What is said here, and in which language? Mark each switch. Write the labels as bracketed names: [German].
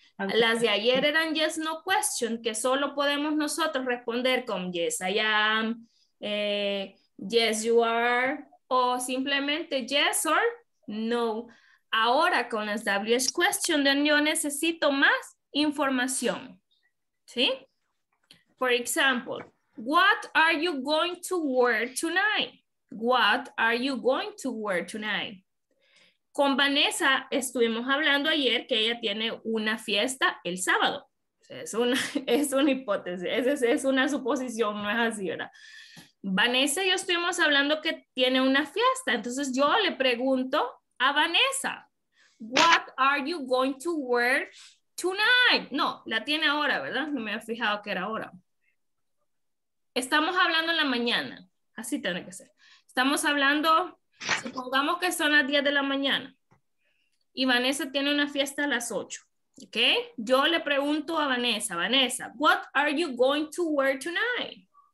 [Spanish] Las de ayer eran yes, no question, que solo podemos nosotros responder con [English] yes, I am, yes, you are, [Spanish] o simplemente [English] yes or no. [Spanish] Ahora con las WH question, yo necesito más información, ¿sí? [English] For example, what are you going to wear tonight? What are you going to wear tonight? [Spanish] Con Vanessa estuvimos hablando ayer que ella tiene una fiesta el sábado. Es una hipótesis, es una suposición, no es así, ¿verdad? Vanessa y yo estuvimos hablando que tiene una fiesta. Entonces yo le pregunto a Vanessa, [English] what are you going to wear tonight? [Spanish] No, la tiene ahora, ¿verdad? No me había fijado que era ahora. Estamos hablando en la mañana. Así tiene que ser. Estamos hablando, supongamos que son las 10 de la mañana. Y Vanessa tiene una fiesta a las 8. ¿Ok? Yo le pregunto a Vanessa, Vanessa, [English] what are you going to wear tonight?